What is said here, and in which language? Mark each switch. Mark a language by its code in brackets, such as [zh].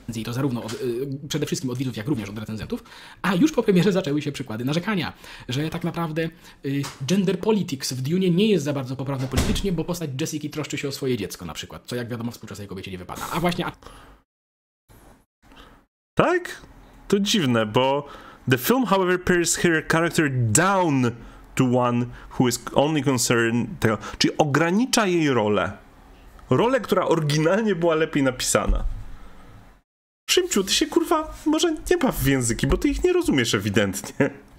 [pl] I to zarówno przede wszystkim od widzów, jak również od recenzentów. A już po premierze zaczęły się przykłady narzekania, że tak naprawdę gender politics w Dune nie jest za bardzo poprawne politycznie, bo postać Jessica troszczy się o swoje dziecko na przykład, co jak wiadomo współczesnej kobiecie nie wypada. A właśnie... Tak? To dziwne, bo [en] the film, however, pairs her character down to one who is only concerned... [pl] Czyli ogranicza jej rolę. Rolę, która oryginalnie była lepiej napisana. Szymciu, ty się, kurwa, może nie baw w języki, bo ty ich nie rozumiesz ewidentnie.